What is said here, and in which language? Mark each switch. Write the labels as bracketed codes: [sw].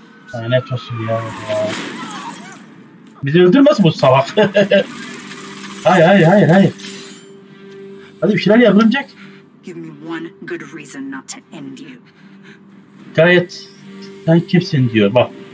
[tr] Ha, Ha, ne tosun ya. Bizi öldürmez bu salak. Hayır. Hadi bir şeyler yapılacak. [en] Give me one good reason not to end you. [tr] Gayet sen kimsin diyor bak.